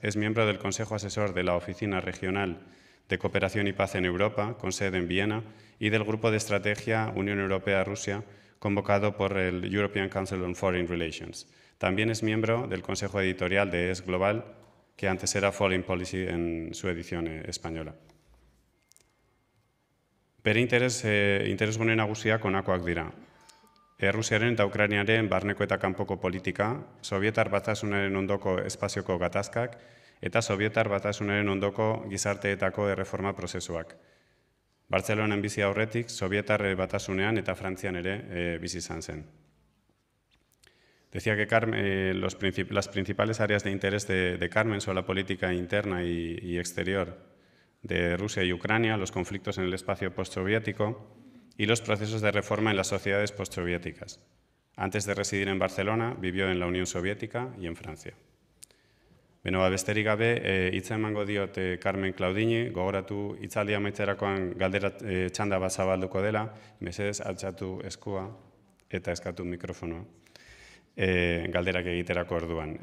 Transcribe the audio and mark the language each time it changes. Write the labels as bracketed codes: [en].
[es] Es miembro del Consejo Asesor de la Oficina Regional de Cooperación y Paz en Europa, con sede en Viena, y del Grupo de Estrategia Unión Europea-Rusia, convocado por el European Council on Foreign Relations. También es miembro del Consejo Editorial de ES Global, que antes era Foreign Policy en su edición española. [eu] Bere interesgune nagusiak honakoak dira. Errusiaren eta Ukrainaren barneko eta kanpoko politika, Sovietar Batasunaren ondoko espazioko gatazkak, eta Sovietar Batasunaren ondoko gizarteetako erreforma prozesuak. Bartzelonan bizi aurretik, Sovietar Batasunean eta Frantzian ere bizi izan zen. [es] Decía que las principales áreas de interés de Carmen son la política interna y exterior de Rusia y Ucrania, los conflictos en el espacio postsoviético y los procesos de reforma en las sociedades postsoviéticas. Antes de residir en Barcelona, vivió en la Unión Soviética y en Francia. [eu] Beno, besterik gabe, hitza emango diot Carmen Claudini, gogoratu hitzaldia amaitzerakoan galdera txanda bat zabalduko dela, mesedez altxatu eskua eta eskatu mikrofonoa. Galderak egiterako orduan.